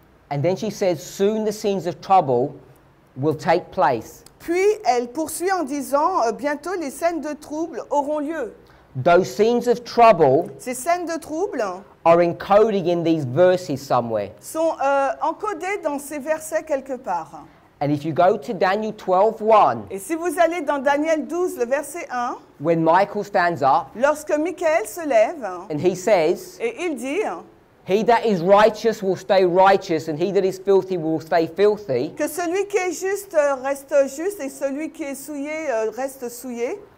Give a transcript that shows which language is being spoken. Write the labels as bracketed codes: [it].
[en] And then she says, soon the scenes of trouble will take place. [fr] Puis elle poursuit en disant, bientôt les scènes de trouble auront lieu. [en] Those scenes of trouble, [fr] ces scènes de trouble [en] are encoded in these verses somewhere. [fr] Sont encodées dans ces versets quelque part. [en] And if you go to Daniel 12:1. [fr] Et si vous allez dans Daniel 12 le verset 1. [en] When Michael stands up. [fr] Lorsque Michael se lève. [en] And he says. [fr] Et il dit. [en] He that is righteous will stay righteous and he that is filthy will stay filthy. [fr] Que celui qui est juste reste juste et celui qui est souillé reste souillé.